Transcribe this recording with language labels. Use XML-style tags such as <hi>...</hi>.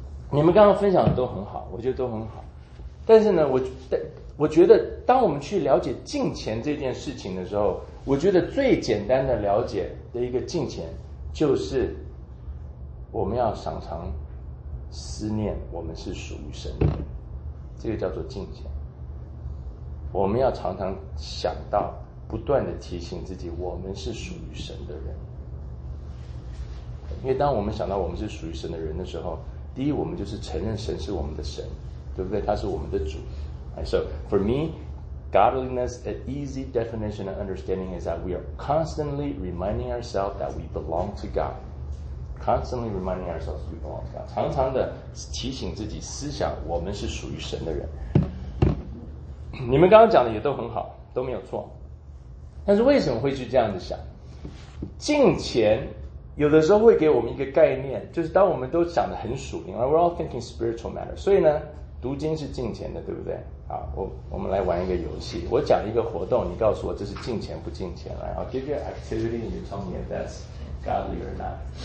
<zh>你们刚刚分享的都很好，我觉得都很好。但是呢，我觉得当我们去了解敬虔这件事情的时候，我觉得最简单的了解的一个敬虔，就是我们要常常思念我们是属于神的，这个叫做敬虔。我们要常常想到，不断的提醒自己，我们是属于神的人。因为当我们想到我们是属于神的人的时候，第一，我们就是承认神是我们的神，对不对？他是我们的主。</zh> <en>So for me, godliness, an easy definition and understanding is that we are constantly reminding ourselves that we belong to God. Constantly reminding ourselves we belong to God.</en> <zh>常常的提醒自己，思想我们是属于神的人。你们刚刚讲的也都很好，都没有错。但是为什么会去这样子想？敬虔有的时候会给我们一个概念，就是当我们都想得很属灵，</zh> <en>we're all thinking spiritual matter.</en> <zh>所以呢，读经是敬虔的，对不对？好，我们来玩一个游戏。我讲一个活动，你告诉我这是敬虔不敬虔。</zh> <en>来， I'll give you an activity and you tell me if that's godly or not.</en>